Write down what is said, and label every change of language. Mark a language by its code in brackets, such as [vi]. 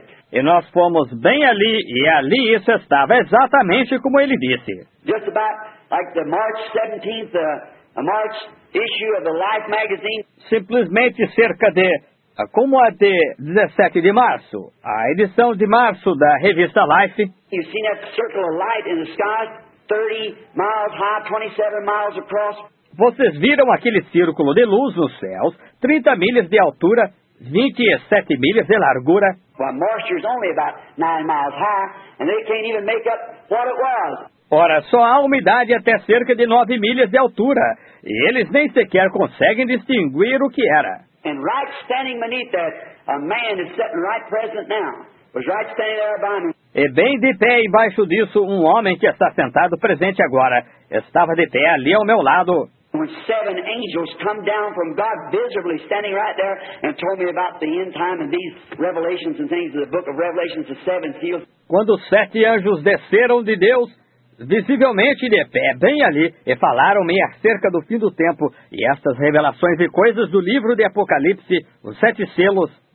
[pt] E nós fomos bem ali, e ali isso estava exatamente como ele disse. [en] Just about like the March 17th, a March issue of the Life magazine. [pt] Simplesmente cerca de, como a de 17 de março, a edição de março da revista Life. [en] You've seen that circle of light in the sky, 30 miles high, 27 miles across. [pt] Vocês viram aquele círculo de luz nos céus, 30 milhas de altura, 27 milhas de largura. [en] Well, moisture is only about 9 miles high, and they can't even make up what it was. [pt] Ora, só há umidade até cerca de 9 milhas de altura, e eles nem sequer conseguem distinguir o que era. [en] And right standing beneath that, a man is sitting right present now. Was right standing there by me. [pt] E bem de pé embaixo disso, um homem que está sentado presente agora, estava de pé ali ao meu lado. [en] When 7 angels come down from God visibly standing right there and told me about the end time and these revelations and things of the book of Revelations, the 7 seals. [pt] Quando 7 anjos desceram de Deus, visivelmente de pé, bem ali, e falaram-me acerca do fim do tempo e estas revelações e coisas do livro de Apocalipse, os 7 selos.